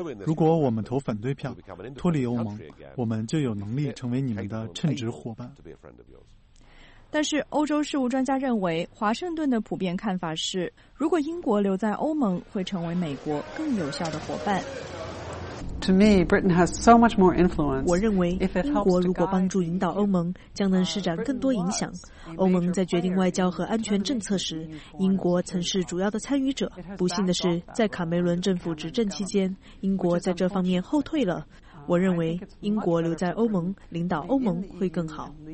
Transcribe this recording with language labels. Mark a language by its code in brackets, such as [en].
[zh] 如果我们投反对票，脱离欧盟，我们就有能力成为你们的称职伙伴。但是欧洲事务专家认为，华盛顿的普遍看法是，如果英国留在欧盟，会成为美国更有效的伙伴。 [en] To me, Britain has so much more influence. [zh] 我认为英国如果帮助引导欧盟，将能施展更多影响。欧盟在决定外交和安全政策时，英国曾是主要的参与者。不幸的是，在卡梅伦政府执政期间，英国在这方面后退了。我认为英国留在欧盟，领导欧盟会更好。